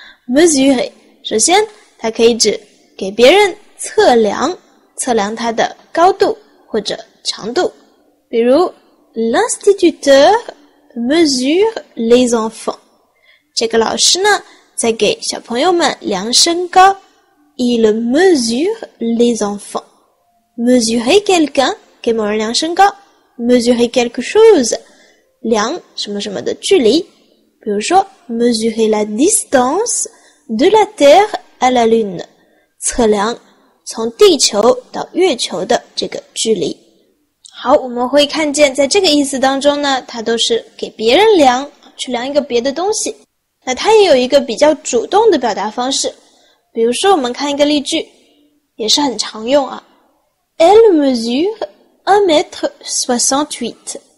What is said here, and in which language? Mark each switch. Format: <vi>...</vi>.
<zh>mesurer 首先它可以指给别人测量，测量它的高度或者长度，比如</zh> <fr>l'instituteur mesure les enfants，</fr> <zh>这个老师呢在给小朋友们量身高。</zh> <fr>Il mesure les enfants. Mesurer quelqu'un,</fr> <zh>给某人量身高。</zh> <fr>Mesurer quelque chose,</fr> <zh>量什么什么的距离。比如说</zh> <fr>mesurer la distance de la Terre à la Lune,</fr> <zh>测量从地球到月球的这个距离。好，我们会看见在这个意思当中呢，它都是给别人量，去量一个别的东西。那它也有一个比较主动的表达方式。比如说我们看一个例句，也是很常用啊。</zh> <fr>Elle mesure 1m68.</fr>